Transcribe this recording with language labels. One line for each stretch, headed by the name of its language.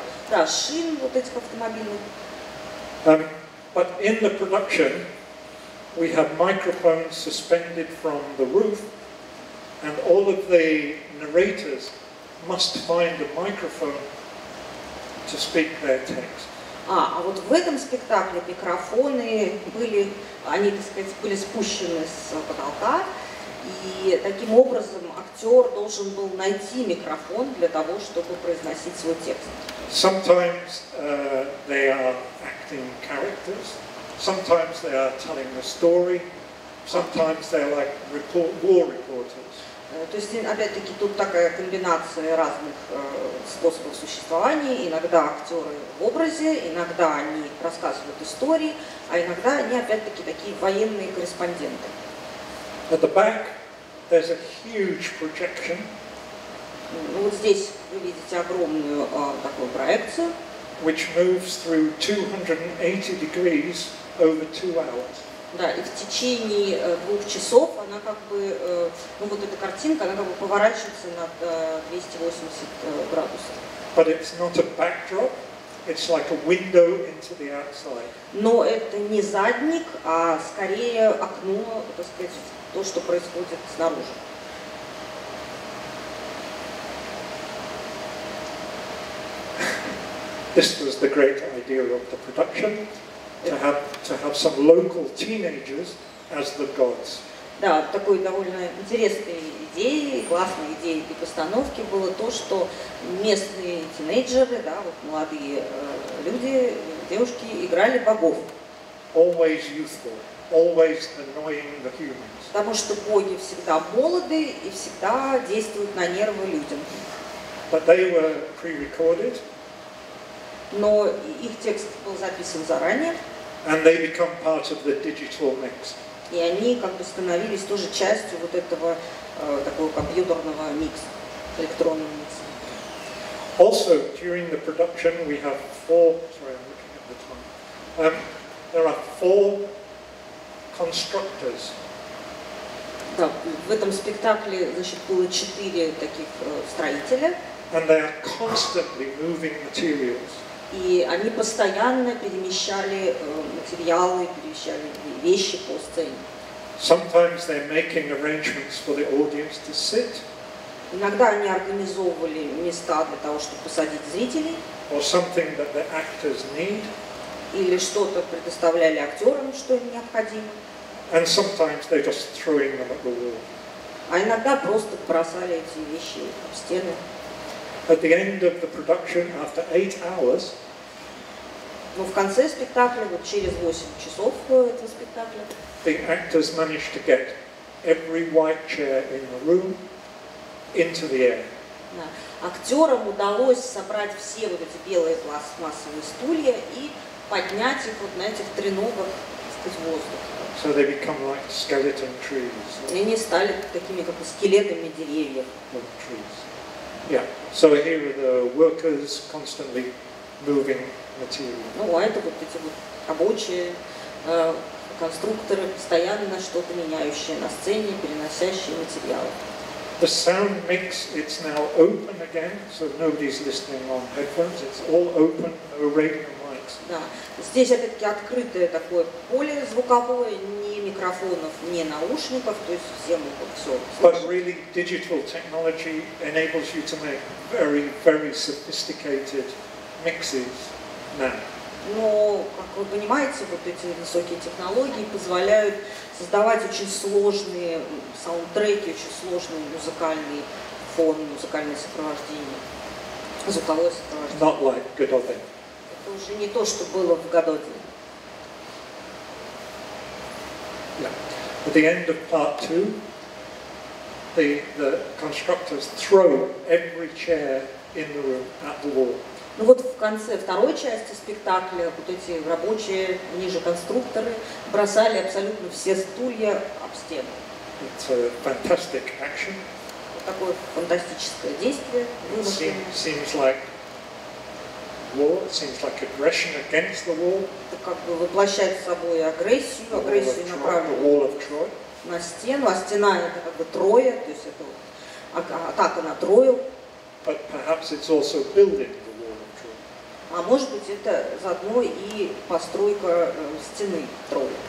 Russian: Да, шин вот этих автомобилей.
English: But in the production, we have microphones suspended from the roof. and all of the narrators must find a microphone to speak their text.
Russian: А вот в этом спектакле микрофоны были, они, так сказать, были спущены с потолка, и таким образом актер должен был найти микрофон для того, чтобы произносить свой текст.
English: Sometimes they are acting characters, sometimes they are telling a story, sometimes they're like war reporters.
Russian: То есть, опять-таки, тут такая комбинация разных способов существования. Иногда актеры в образе, иногда они рассказывают истории, а иногда они, опять-таки, такие военные корреспонденты.
English: At the back, there's a huge projection.
Russian: Ну, вот здесь вы видите огромную такую проекцию,
English: which moves through 280 degrees over 2 hours.
Russian: Да, и в течение двух часов она как бы, ну вот эта картинка, она как бы поворачивается на 280 градусов.
English: But it's not a backdrop, it's like a window into the outside.
Russian: Но это не задник, а скорее окно, так сказать, то, что происходит снаружи.
English: This was the great idea of the production. To have some local teenagers as the gods.
Russian: Да, такой довольно интересной идеей, классной идеей для постановки было то, что местные тинейджеры, да, вот молодые люди, девушки играли богов.
English: Always youthful, always annoying the humans.
Russian: Потому что боги всегда молоды и всегда действуют на нервы людям.
English: But they were pre-recorded.
Russian: Но их текст был записан заранее.
English: And they become part of the digital mix.
Russian: И они как бы становились тоже частью вот этого такого компьютерного микса, электронного микса.
English: Also, during the production, we have four. Sorry, I'm looking at the time. There are four constructors.
Russian: Да, в этом спектакле, значит, было четыре таких строителя.
English: And they are constantly moving materials.
Russian: И они постоянно перемещали материалы, перемещали вещи по сцене.
English: Sometimes they're making arrangements for the audience to sit.
Russian: Иногда они организовывали места для того, чтобы посадить зрителей.
English: Or something that the actors need.
Russian: Или что-то предоставляли актерам, что им необходимо.
English: And sometimes they're just throwing them at the wall.
Russian: А иногда просто бросали эти вещи об стены.
English: At the end of the production, after 8 hours,
Russian: но в конце спектакля, вот через 8 часов этого спектакля,
English: the actors managed to get every white chair in the room into the air.
Russian: Да. Актерам удалось собрать все вот эти белые пластмассовые стулья и поднять их вот на этих треногах, так сказать, в воздух.
English: So they become like skeleton trees.
Russian: И они стали такими как бы скелетами деревьев.
English: Or trees. Yeah. So here are the workers constantly moving material.
Russian: Ну, а это вот эти вот рабочие конструкторы, постоянно что-то меняющие на сцене, переносящие материалы.
English: The sound mix, it's now open again, so nobody's listening on headphones. It's all open, no radio mics.
Russian: Да. Здесь опять-таки открытое такое поле звуковое, ни микрофонов, ни наушников, то есть все могут все слышать.
English: But really, digital technology enables you to make very, very sophisticated mixes now.
Russian: Но, как вы понимаете, вот эти высокие технологии позволяют создавать очень сложные саундтреки, очень сложный музыкальный фон, музыкальное сопровождение, звуковое сопровождение.
English: Not like Godot.
Russian: Это уже не то, что было в Годоте.
English: Yeah. At the end of part two, the constructors throw every chair in the room at the wall.
Russian: Ну вот в конце второй части спектакля вот эти рабочие, они же конструкторы, бросали абсолютно все стулья об стену.
English: It's a fantastic action.
Russian: Вот такое фантастическое действие.
English: Seems like war, seems like aggression against the wall.
Russian: Это как бы воплощает в собой агрессию, агрессию направленную на стену. А стена это как бы Троя, то есть это атака на Трою.
English: But perhaps it's also building.
Russian: А может быть, это заодно и постройка стены Трои.